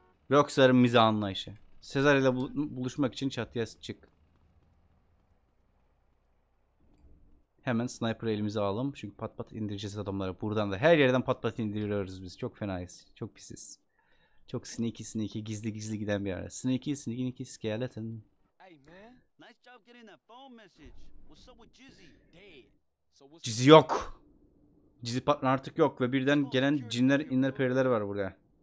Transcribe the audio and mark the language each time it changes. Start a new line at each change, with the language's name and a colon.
Turkish: Rockstar'ın mizah anlayışı. Sezar ile buluşmak için çatıya çık. Hemen sniper elimize alalım. Çünkü pat pat indireceğiz adamları. Buradan da her yerden pat pat indiriyoruz biz. Çok fenayız. Çok pisiz. Çok sneaky gizli gizli giden bir ara.
English: Sneaky skeleton. Hey man, nice job getting that phone message. What's up with Jizzy?
Turkish: Jizzy yok. Jizzy patron artık yok ve birden gelen cinler, inler, periler var buraya.